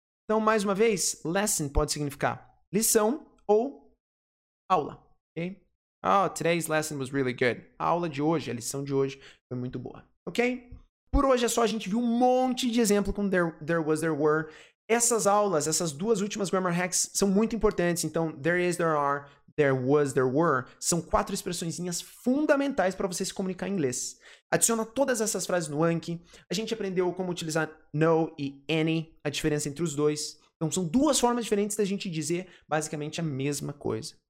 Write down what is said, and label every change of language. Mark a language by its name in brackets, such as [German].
[Portuguese] Então, mais uma vez, lesson pode significar lição ou aula, ok? [English] Oh, today's lesson was really good. [Portuguese] A aula de hoje, a lição de hoje foi muito boa. Ok? Por hoje é só, a gente viu um monte de exemplo com [English] there was, there were. [Portuguese] Essas aulas, essas duas últimas grammar hacks são muito importantes. Então, [English] there is, there are, there was, there were. [Portuguese] São quatro expressõezinhas fundamentais para você se comunicar em inglês. Adiciona todas essas frases no Anki. A gente aprendeu como utilizar no e any, a diferença entre os dois. Então, são duas formas diferentes da gente dizer basicamente a mesma coisa.